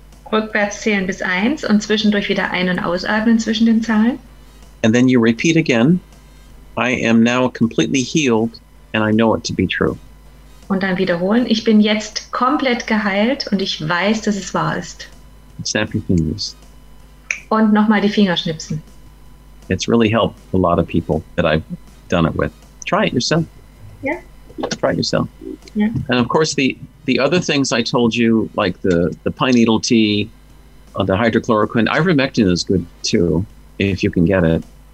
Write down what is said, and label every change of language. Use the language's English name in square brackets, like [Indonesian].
[German] Rückwärts zählen bis 1 und zwischendurch wieder ein- und ausatmen zwischen den Zahlen. [English] And then you repeat again. I am now completely healed and I know it to be true. [German] Und dann wiederholen. Ich bin jetzt komplett geheilt und ich weiß, dass es wahr ist. [English] Snap your fingers. [German] Und nochmal die Finger schnipsen. [English] It's really helped a lot of people that I've done it with. Try it yourself. Yeah. Try it yourself. Yeah. And of course, the other things I told you, like the pine needle tea, the hydrochloroquine, ivermectin is good too, if you can get it.